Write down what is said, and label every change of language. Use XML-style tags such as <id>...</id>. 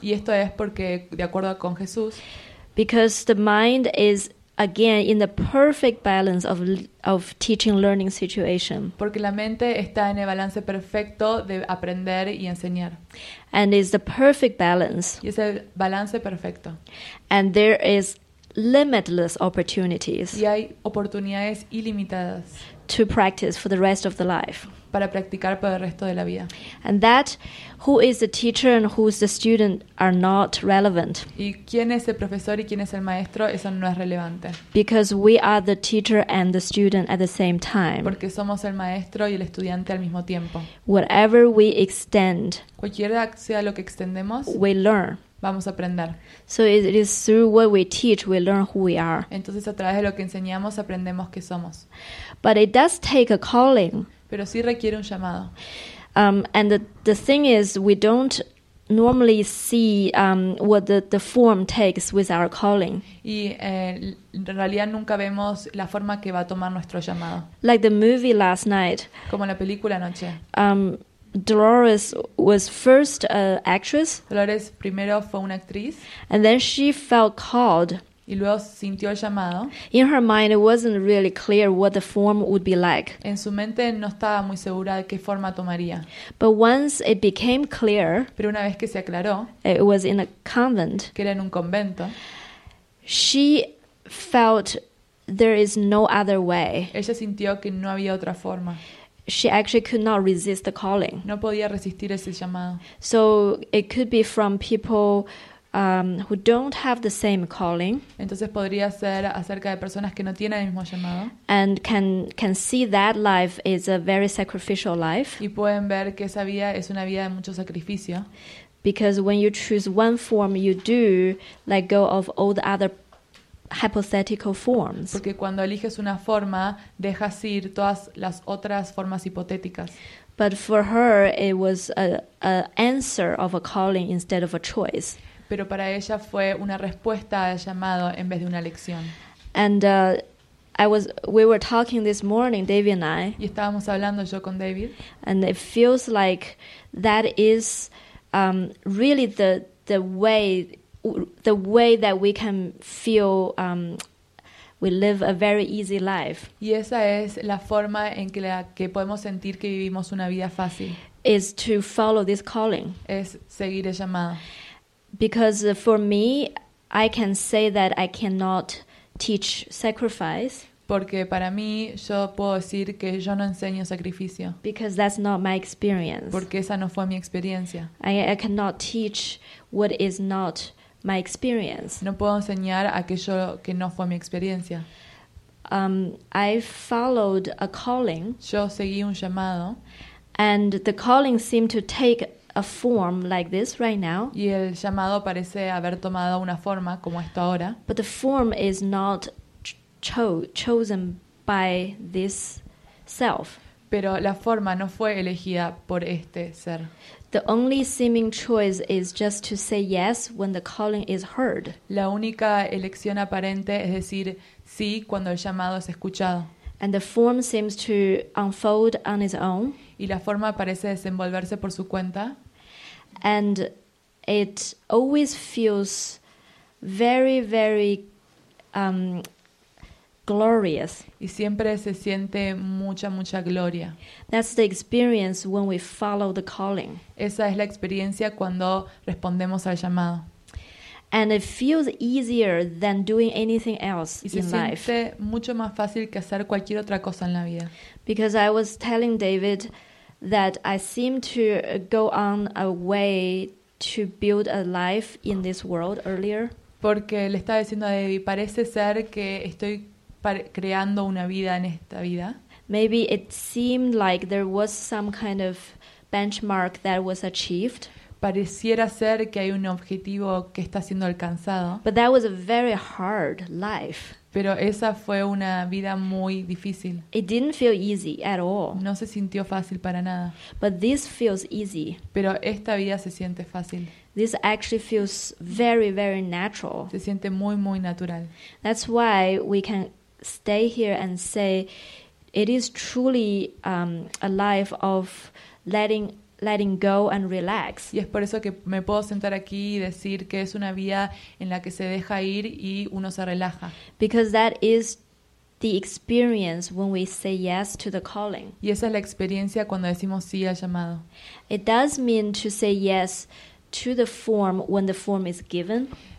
<es>Y esto es porque de acuerdo con Jesús.</es> <en>Because the mind is again, in the perfect balance of teaching learning situation.</en> <es>Porque la mente está en el balance perfecto de aprender y enseñar.</es> <en>And is the perfect balance.</en> <es>Y es el balance perfecto.</es> <en>And there is limitless opportunities.</en> <es>Y hay oportunidades ilimitadas.</es> <en>To practice for the rest of the life.</en> <es>Para practicar por el resto de la vida.</es> <en>And that who is the teacher and who is the student are not relevant.</en> <es>Y quién es el profesor y quién es el maestro, eso no es relevante.</es> <en>Because we are the teacher and the student at the same time.</en> <es>Porque somos el maestro y el estudiante al mismo tiempo.</es> <en>Whatever we extend,</en> <es>cualquiera sea lo que extendemos,</es> <en>we learn.</en> <es>Vamos a aprender.</es> <en>So it is through what we teach we learn who we are.</en> <es>Entonces a través de lo que enseñamos aprendemos qué somos.</es> <en>But it does take a calling.</en> <es>Pero sí requiere un llamado.</es> <en>And the thing is, we don't normally see what the form takes with our calling.</en> <es>Y en realidad nunca vemos la forma que va a tomar nuestro llamado.</es> <en>Like the movie last night.</en> <es>Como la película anoche.</es> <en>Dolores was first an actress.</en> <es>Dolores primero fue una actriz.</es> <en>And then she felt called.</en> <es>Y luego sintió el llamado.</es> <en>In her mind, it wasn't really clear what the form would be like.</en> <es>En su mente no estaba muy segura de qué forma tomaría.</es> <en>But once it became clear,</en> <es>pero una vez que se aclaró,</es> <en>it was in a convent,</en> <es>que era en un convento,</es> <en>she felt there is no other way.</en> <es>Ella sintió que no había otra forma.</es> <en>She actually could not resist the calling.</en> <es>No podía resistir ese llamado.</es> <en>So it could be from people Who don't have the same calling.</en> <es>Entonces podría ser acerca de personas que no tienen el mismo llamado.</es> <en>And can see that life is a very sacrificial life.</en> <es>Y pueden ver que esa vida es una vida de mucho sacrificio.</es> <en>Because when you choose one form, you do let go of all the other hypothetical forms.</en> <es>Porque cuando eliges una forma, dejas ir todas las otras formas hipotéticas.</es> <en>But for her, it was a answer of a calling instead of a choice.</en> <es>Pero para ella fue una respuesta al llamado en vez de una elección.</es> <en>And we were talking this morning, David and I.</en> <es>Y estábamos hablando yo con David.</es> <en>And it feels like that is really the way that we can feel we live a very easy life.</en> <es>Y esa es la forma en que podemos sentir que vivimos una vida fácil.</es> <en>Is to follow this calling.</en> <es>Es seguir el llamado.</es> <en>Because for me, I can say that I cannot teach sacrifice.</en> <es>Porque para mí, yo puedo decir que yo no enseño sacrificio.</es> <en>Because that's not my experience.</en> <es>Porque esa no fue mi experiencia.</es> <en>I cannot teach what is not my experience.</en> <es>No puedo enseñar aquello que no fue mi experiencia.</es> <en>I followed a calling.</en> <es>Yo seguí un llamado.</es> <en>And the calling seemed to take a form like this right now.</en> <es>Y el llamado parece haber tomado una forma como esto ahora.</es> <en>But the form is not chosen by this self.</en> <es>Pero la forma no fue elegida por este ser.</es> <en>The only seeming choice is just to say yes when the calling is heard.</en> <es>La única elección aparente es decir sí cuando el llamado es escuchado.</es> <en>And the form seems to unfold on its own.</en> <es>Y la forma parece desenvolverse por su cuenta.</es> <en>And it always feels very, very glorious.</en> <es>Y siempre se siente mucha, mucha gloria.</es> <en>That's the experience when we follow the calling.</en> <es>Esa es la experiencia cuando respondemos al llamado.</es> <en>And it feels easier than doing anything else in life.</en> <es>Y se siente mucho más fácil que hacer cualquier otra cosa en la vida.</es> <en>Because I was telling David that I seem to go on a way to build a life in this world earlier.</en> <es>Porque le estaba diciendo a David, parece ser que estoy creando una vida en esta vida.</es> <en>Maybe it seemed like there was some kind of benchmark that was achieved.</en> <es>Pareciera ser que hay un objetivo que está siendo alcanzado.</es> <en>But that was a very hard life.</en> <es>Pero esa fue una vida muy difícil.</es> <en>It didn't feel easy at all.</en> <es>No se sintió fácil para nada.</es> <en>But this feels easy.</en> <es>Pero esta vida se siente fácil.</es> <en>This actually feels very, very natural.</en> <es>Se siente muy, muy natural.</es> <en>That's why we can stay here and say it is truly a life of letting go and relax.</en> <es>Y es por eso que me puedo sentar aquí y decir que es una vía en la que se deja ir y uno se relaja.</es> <en>Because that is the experience when we say yes to the calling.</en> <es>Y esa es la experiencia cuando decimos sí al llamado.</es> <en>It does mean to say yes to the form when the form is given.</en>